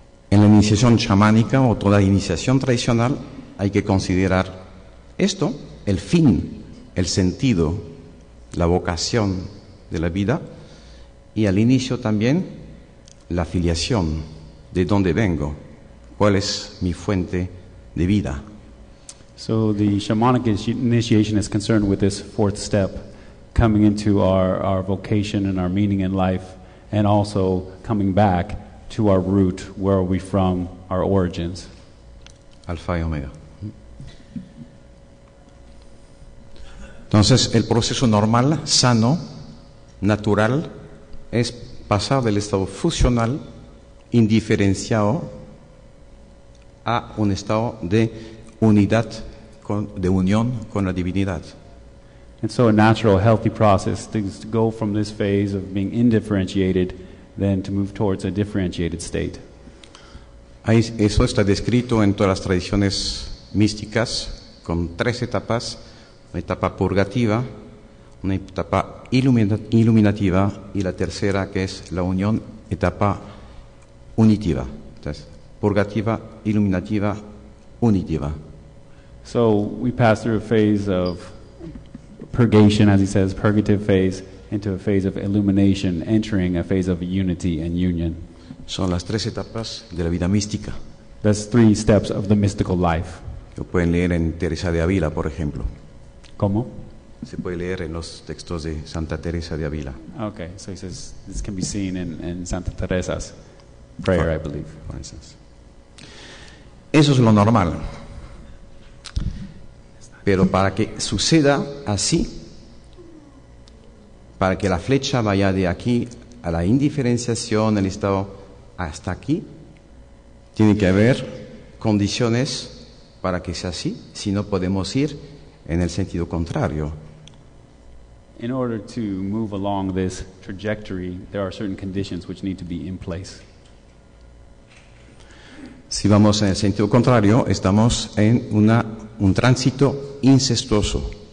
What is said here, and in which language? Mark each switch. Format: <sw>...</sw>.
<es>En la iniciación chamánica o toda iniciación tradicional hay que considerar esto, el fin, el sentido, la vocación de la vida, y al inicio también la filiación, de dónde vengo, cuál es mi fuente de vida.</es> <en>So the shamanic initiation is concerned with this fourth step, coming into our vocation and our meaning in life, and also coming back to our root, where are we from, our origins.</en> <es>Alfa y Omega. Entonces, el proceso normal, sano, natural, es pasar del estado fusional, indiferenciado, a un estado de unidad, de unión con la divinidad.</es> <en>And so a natural, healthy process is to go from this phase of being indifferentiated, then to move towards a differentiated state.</en> <es>Eso está descrito en todas las tradiciones místicas, con tres etapas: una etapa purgativa, una etapa iluminativa y la tercera, que es la unión, etapa unitiva. Entonces, purgativa, iluminativa, unitiva.</es> <en>So we pass through a phase of purgation, as he says, purgative phase, into a phase of illumination, entering a phase of unity and union.</en> <es>Son las tres etapas de la vida mística.</es> <en>That's three steps of the mystical life.</en> <es>Lo pueden leer en Teresa de Ávila, por ejemplo. ¿Cómo? Se puede leer en los textos de Santa Teresa de Ávila.</es> <en>Okay, so he says this can be seen in Santa Teresa's prayer, I believe, for instance.</en> <es>Eso es lo normal. Pero para que suceda así, para que la flecha vaya de aquí a la indiferenciación, el estado hasta aquí, tiene que haber condiciones para que sea así, si no podemos ir en el sentido contrario.</es> <en>In order to move along this trajectory, there are certain conditions which need to be in place.</en> <es>Si vamos en el sentido contrario, estamos en un tránsito incestuoso.</es>